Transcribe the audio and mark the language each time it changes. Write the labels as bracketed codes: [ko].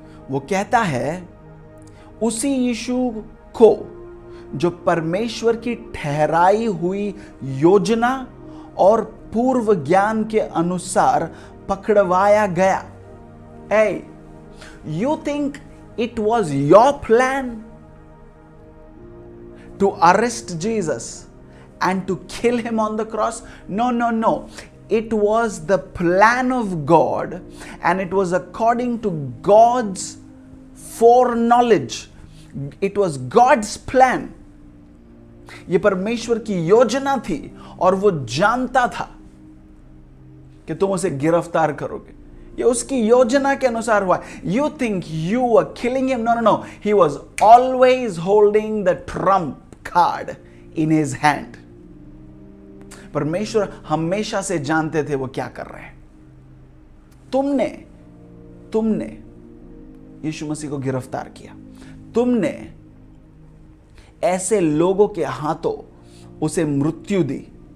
[hi] वो कहता है उसी यीशु को जो परमेश्वर की ठहराई हुई योजना और पूर्व ज्ञान के अनुसार पकड़वाया गया. [en] Hey, you think it was your plan to arrest Jesus and to kill him on the cross? No. It was the plan of God, and it was according to God's foreknowledge. It was God's plan. [hi] ये परमेश्वर की योजना थी और वो जानता था कि तुम उसे गिरफ्तार करोगे. ये उसकी योजना के अनुसार हुआ. [en] You think you were killing him? No. He was always holding the trump card in his hand. [hi] परमेश्वर हमेशा से जानते थे वो क्या कर रहे हैं. तुमने यीशु मसीह को गिरफ्तार किया. तुमने ऐसे लोगों के हाथों उसे मृत्यु दी.